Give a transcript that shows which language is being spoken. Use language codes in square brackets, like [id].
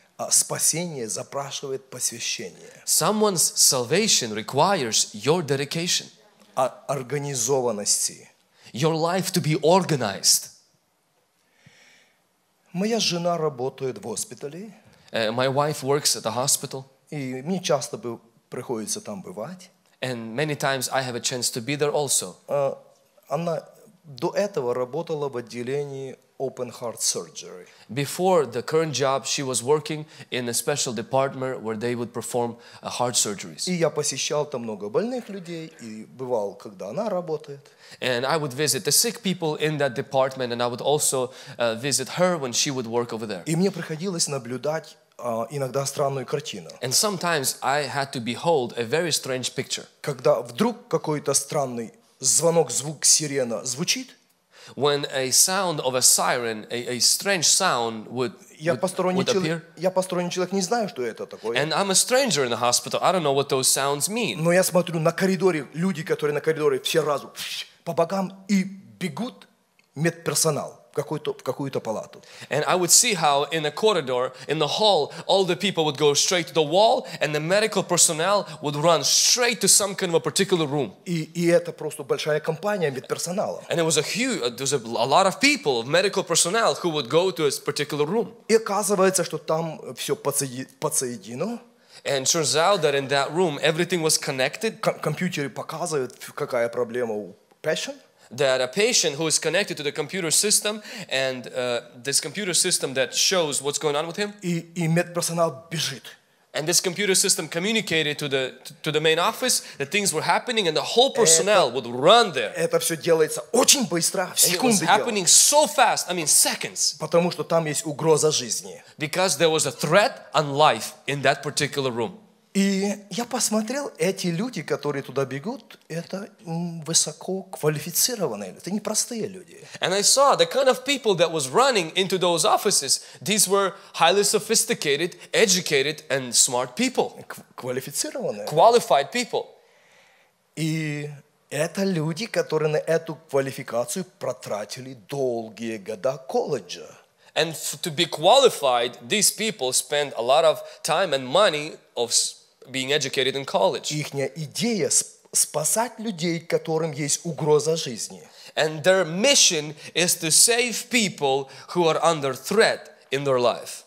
[ru] Спасение запрашивает посвящение. [en] Someone's salvation requires your dedication. [ru] Организованности. [en] Your life to be organized. [ru] Моя жена работает в госпитале. [en] My wife works at the hospital. [ru] И мне часто бы приходится там бывать. [en] And many times I have a chance to be there also. [ru] Она до этого работала в отделении [en] open heart surgery. Before the current job, she was working in a special department where they would perform heart surgeries. [ru] И я посещал там много больных людей и бывал, когда она работает. [en] And I would visit the sick people in that department, and I would also visit her when she would work over there. [ru] И мне приходилось наблюдать иногда странную картину. [en] And sometimes I had to behold a very strange picture. [ru] Когда вдруг какой-то странный звонок, звук сирена звучит. [en] When a sound of a siren, a strange sound would appear. [ru] Я посторонний человек, не знаю, что это такое. [en] And I'm a stranger in the hospital. I don't know what those sounds mean. [ru] Но я смотрю на коридоре, люди, которые на коридоре, все разу по богам и бегут медперсонал. В какую-то палату. [en] And I would see how in a corridor, in the hall, all the people would go straight to the wall, and the medical personnel would run straight to some kind of a particular room. [ru] И это просто большая компания медперсонала. [en] And it was a lot of people, of medical personnel, who would go to a particular room. [ru] И оказывается, что там все подсоединено. [en] And turns out that in that room everything was connected. [ru] Компьютеры показывают, какая проблема у patient. [en] That a patient who is connected to the computer system and this computer system that shows what's going on with him. [ru] И медперсонал бежит. [en] And this computer system communicated to the main office that things were happening and the whole personnel would run there. [ru] Это все делается очень быстро, в секунды. [en] And it was happening so fast, I mean seconds. [ru] Потому что там есть угроза жизни. [en] Because there was a threat on life in that particular room. [ru] И я посмотрел, эти люди, которые туда бегут, это высоко квалифицированные люди, это непростые люди. [en] And I saw the kind of people that was running into those offices, these were highly sophisticated, educated and smart people. [ru] Квалифицированные. [en] Qualified people. [ru] И это люди, которые на эту квалификацию потратили долгие года колледжа. [en] And to be qualified, these people spend a lot of time and money of being educated in college. [ru] Ихня идея спасать людей, которым есть угроза жизни. [en] And their mission is to save people who are under threat in their life.